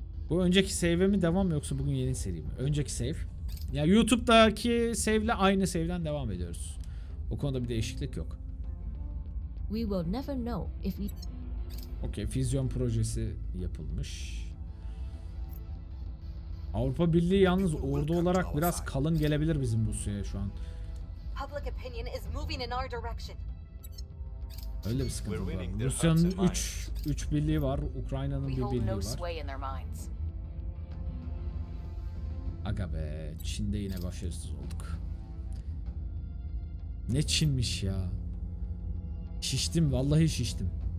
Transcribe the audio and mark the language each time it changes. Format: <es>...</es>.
<tr>Bu önceki save'e mi devam yoksa bugün yeni seri mi? Önceki save. Ya yani YouTube'daki save'le aynı save'den devam ediyoruz. O konuda bir değişiklik yok.</tr> <en>We will never know if we...</en> <tr>Okay, füzyon projesi yapılmış. Avrupa Birliği yalnız ordu olarak biraz kalın gelebilir bizim Rusya'ya şu an.</tr> <en>Public opinion is moving in our direction.</en> <tr>Öyle bir sıkıntı var. Rusya'nın 3 birliği var. Ukrayna'nın bir birliği var. Aga be, Çin'de yine başarısız olduk. Ne Çin'miş ya. Şiştim, vallahi şiştim.</tr>